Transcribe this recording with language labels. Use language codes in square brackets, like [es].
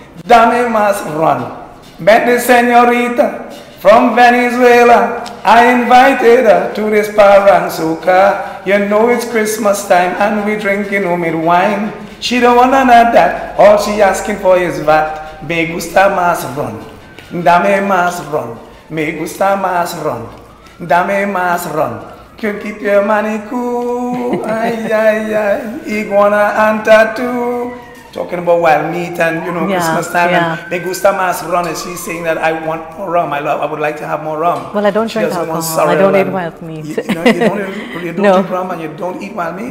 [es] Dame más Ron. Vente señorita. [en] From Venezuela, I invited her to this Parang Soca. You know it's Christmas time and we drinking homemade wine. She don't want none of that, all she asking for is that. [es] Me gusta más ron, dame más ron. Me gusta más ron, dame más ron. [en] Can keep your money cool, ay, ay, ay. Iguana and tattoo. Talking about wild meat and, you know, Christmas time. Yeah. And [es] me gusta más ron. [en] And she's saying that I want more rum. I love, I would like to have more rum. Well, I don't drink alcohol. I don't eat wild meat. You don't eat rum and you don't eat wild meat?